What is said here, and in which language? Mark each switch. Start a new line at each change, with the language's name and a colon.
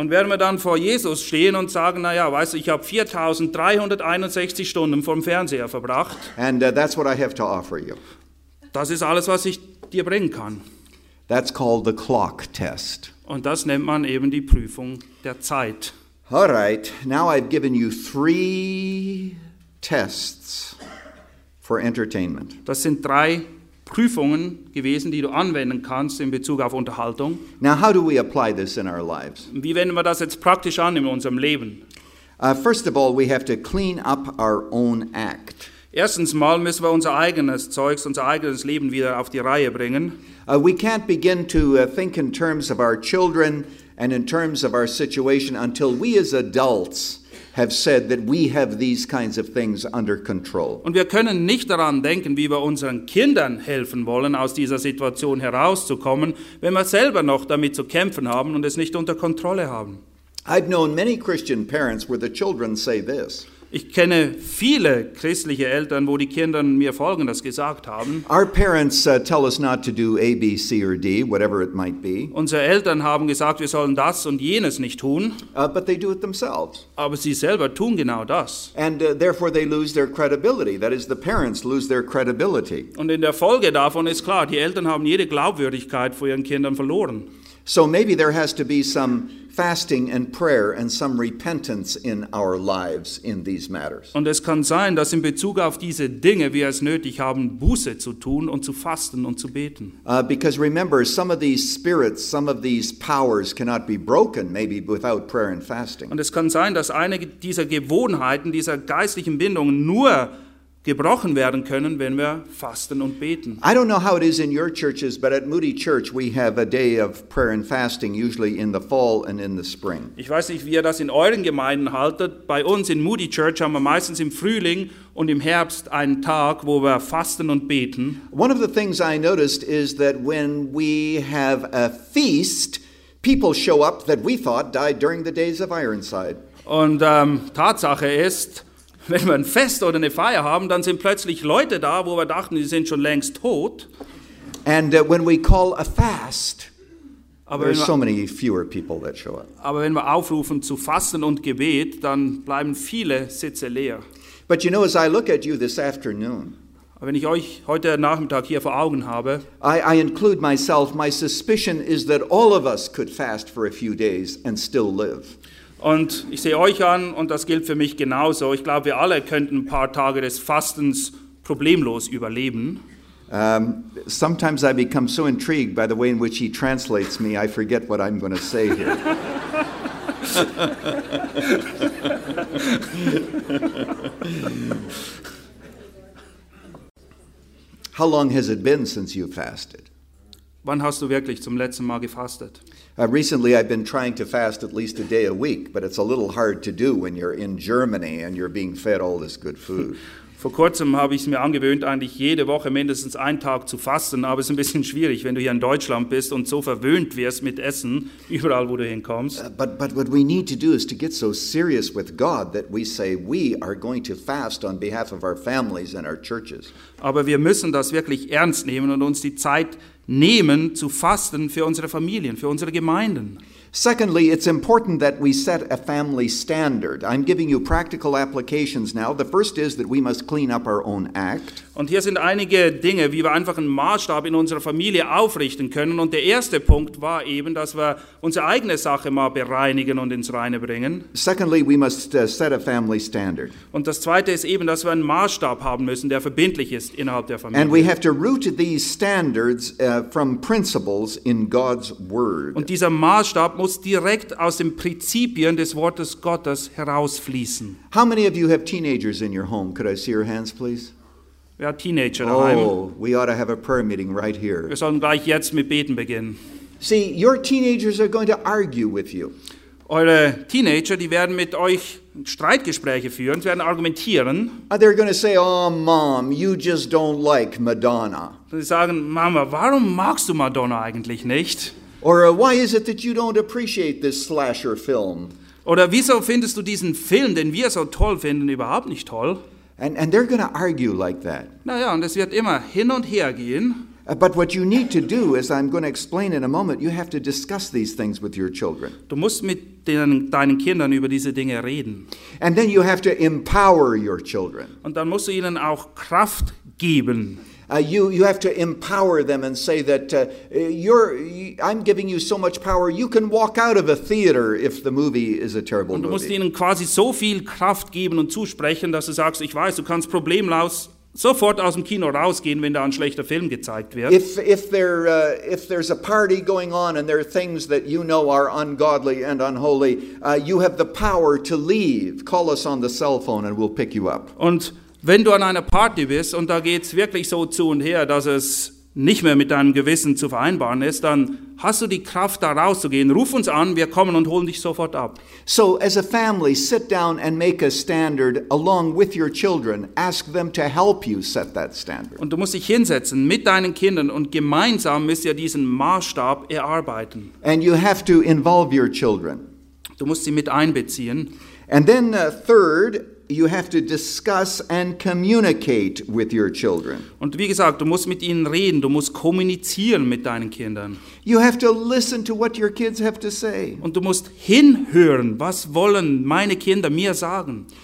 German: Und werden wir dann vor Jesus stehen und sagen, naja, weißt du, ich habe 4,361 Stunden vorm Fernseher verbracht.
English: And that's what I have to offer you.
German: Das ist alles, was ich dir bringen kann.
English: That's called the clock test.
German: Und das nennt man eben die Prüfung der Zeit.
English: All right, now I've given you 3 tests for entertainment.
German: Das sind 3 Prüfungen gewesen, die du anwenden kannst in Bezug auf Unterhaltung.
English: Now how do we apply this in our lives?
German: Wie wenden wir das jetzt praktisch an in unserem Leben?
English: First of all, we have to clean up our own act.
German: Erstens mal müssen wir unser eigenes Zeugs, unser eigenes Leben wieder auf die Reihe bringen.
English: We can't begin to think in terms of our children and in terms of our situation until we as adults have said that we have these kinds of things under control.
German: Und wir können nicht daran denken, wie wir unseren Kindern helfen wollen, aus dieser Situation herauszukommen, wenn wir selber noch damit zu kämpfen haben und es nicht unter Kontrolle haben.
English: I've known many Christian parents where the children say this.
German: Ich kenne viele christliche Eltern, wo die Kinder mir Folgendes gesagt haben.
English: Our parents tell us not to do A, B, C or D, whatever it might be.
German: Unsere Eltern haben gesagt, wir sollen das und jenes nicht tun.
English: But they do it themselves.
German: Aber sie selber tun genau das.
English: And therefore they lose their credibility. That is, the parents lose their credibility.
German: Und in der Folge davon ist klar, die Eltern haben jede Glaubwürdigkeit vor ihren Kindern verloren.
English: So maybe there has to be some fasting and prayer and some repentance in our lives in these matters.
German: Und es kann sein, dass in Bezug auf diese Dinge wir es nötig haben, Buße zu tun und zu fasten und zu beten.
English: Because remember, some of these spirits, some of these powers cannot be broken maybe without prayer and fasting.
German: Und es kann sein, dass einige dieser Gewohnheiten, dieser geistlichen Bindungen nur gebrochen werden können, wenn wir fasten und beten.
English: I don't know how it is in your churches, but at Moody Church we have a day of prayer and fasting usually in the fall and in the spring.
German: Ich weiß nicht, wie ihr das in euren Gemeinden haltet. Bei uns in Moody Church haben wir meistens im Frühling und im Herbst einen Tag, wo wir fasten und beten.
English: One of the things I noticed is that when we have a feast, people show up that we thought died during the days of Ironside.
German: Und Tatsache ist, wenn wir ein Fest oder eine Feier haben, dann sind plötzlich Leute da, wo wir dachten, die sind schon längst tot.
English: And when we call a fast,
German: Aber
English: there are so many fewer people that show up.
German: Aber wenn wir aufrufen zu Fasten und Gebet, dann bleiben viele Sitze leer.
English: But you know, as I look at you this afternoon,
German: wenn ich euch heute Nachmittag hier vor Augen habe,
English: I include myself. My suspicion is that all of us could fast for a few days and still live.
German: Und ich sehe euch an, und das gilt für mich genauso. Ich glaube, wir alle könnten ein paar Tage des Fastens problemlos überleben.
English: Sometimes I become so intrigued by the way in which he translates me, I forget what I'm going to say here. How long has it been since you fasted?
German: Wann hast du wirklich zum letzten Mal gefastet?
English: Recently I've been trying to fast at least a day a week, but it's a little hard to do when you're in Germany and you're being fed all this good food.
German: Vor kurzem habe ich es mir angewöhnt, eigentlich jede Woche mindestens einen Tag zu fasten, aber es ist ein bisschen schwierig, wenn du hier in Deutschland bist und so verwöhnt wirst mit Essen, überall, wo du hinkommst.
English: But what we need to do is to get so serious with God that we say we are going to fast on behalf of our families and our churches.
German: Aber wir müssen das wirklich ernst nehmen und uns die Zeit nehmen zu fasten für unsere Familien, für unsere Gemeinden.
English: Secondly, it's important that we set a family standard. I'm giving you practical applications now. The first is that we must clean up our own act.
German: Und hier sind einige Dinge, wie wir einfach einen Maßstab in unserer Familie aufrichten können. Und der erste Punkt war eben, dass wir unsere eigene Sache mal bereinigen und ins Reine bringen.
English: Secondly, we must set a family standard.
German: Und das zweite ist eben, dass wir einen Maßstab haben müssen, der verbindlich ist innerhalb der Familie.
English: And we have to root these standards from principles in God's Word.
German: Und dieser Maßstab muss direkt aus den Prinzipien des Wortes Gottes herausfließen.
English: How many of you have teenagers in your home? Could I see your hands, please?
German: Wir haben Teenager daheim.
English: Oh, we ought to have a prayer meeting right here.
German: Wir sollen gleich jetzt mit Beten beginnen.
English: See, your teenagers are going to argue with you.
German: Eure Teenager, die werden mit euch Streitgespräche führen, sie werden argumentieren.
English: They're going to say, oh, Mom, you just don't like Madonna.
German: Sie sagen, Mama, warum magst du Madonna eigentlich nicht?
English: Or why is it that you don't appreciate this slasher film?
German: Oder wieso findest du diesen Film, den wir so toll finden, überhaupt nicht toll?
English: And they're going to argue like that.
German: Naja, und es wird immer hin und her gehen.
English: But what you need to do, as I'm going to explain in a moment, you have to discuss these things with your children.
German: Du musst mit deinen Kindern über diese Dinge reden.
English: And then you have to empower your children.
German: Und dann musst du ihnen auch Kraft geben.
English: You have to empower them and say that I'm giving you so much power, you can walk out of a theater if the movie is a terrible movie.
German: Und du musst ihnen quasi so viel Kraft geben und zusprechen, dass du sagst, ich weiß, du kannst problemlos sofort aus dem Kino rausgehen, wenn da ein schlechter Film gezeigt wird.
English: If there's a party going on and there are things that you know are ungodly and unholy, you have the power to leave. Call us on the cell phone and we'll pick you up.
German: Und wenn du an einer Party bist und da geht's wirklich so zu und her, dass es nicht mehr mit deinem Gewissen zu vereinbaren ist, dann hast du die Kraft, da rauszugehen. Ruf uns an, wir kommen und holen dich sofort ab.
English: So, as a family, sit down and make a standard along with your children. Ask them to help you set that standard.
German: Und du musst dich hinsetzen mit deinen Kindern und gemeinsam müsst ihr diesen Maßstab erarbeiten.
English: And you have to involve your children.
German: Du musst sie mit einbeziehen.
English: And then third, you have to discuss and communicate with your children.
German: Und wie gesagt, du musst mit ihnen reden, du musst kommunizieren mit deinen Kindern.
English: You have to listen to what your kids have to say.
German: Und du musst hinhören, was wollen meine Kinder mir sagen.